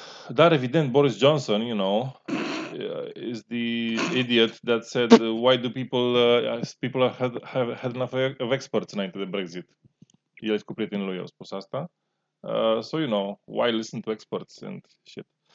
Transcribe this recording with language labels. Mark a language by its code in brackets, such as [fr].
[ro] Dar evident, [en] Boris Johnson, you know, is the idiot that said why do people have had enough of experts [ro] înainte de Brexit. El și cu prietenii lui au spus asta. [en] So, you know, why listen to experts and shit.